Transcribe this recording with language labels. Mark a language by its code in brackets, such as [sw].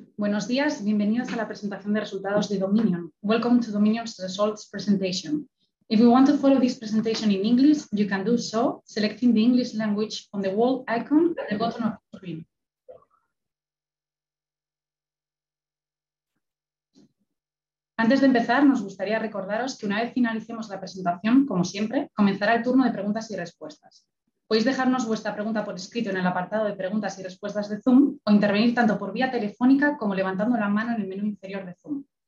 [es] Buenos días, bienvenidos a la presentación de resultados de Dominion. [en] Welcome to Dominion's results presentation. If you want to follow this presentation in English, you can do so selecting the English language on the world icon at the bottom of the screen. [es] Antes de empezar, nos gustaría recordaros que una vez finalicemos la presentación, como siempre, comenzará el turno de preguntas y respuestas. Podéis dejarnos vuestra pregunta por escrito en el apartado de preguntas y respuestas de Zoom o intervenir tanto por vía telefónica como levantando la mano en el menú inferior de Zoom.